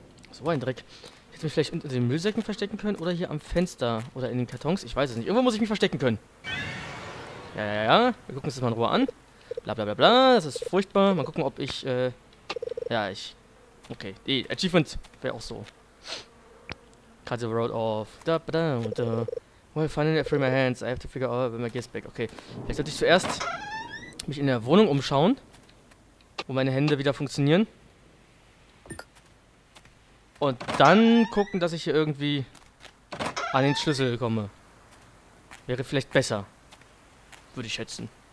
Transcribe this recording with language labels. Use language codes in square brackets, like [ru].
[de] So ein Dreck. Ich hätte mich vielleicht unter den Müllsäcken verstecken können oder hier am Fenster oder in den Kartons. Ich weiß es nicht. Irgendwo muss ich mich verstecken können. Ja, ja, ja. Wir gucken uns das mal in Ruhe an. Bla, bla, bla, bla. Das ist furchtbar. Mal gucken, ob ich, Okay. Die Achievement wäre auch so. [en] Cut the road off. Da, da, da. Well, finally I free my hands. I have to figure out when my gear's back. Okay. [de] Vielleicht sollte ich zuerst mich in der Wohnung umschauen. Wo meine Hände wieder funktionieren. Und dann gucken, dass ich hier irgendwie an den Schlüssel komme. Wäre vielleicht besser. Würde ich schätzen.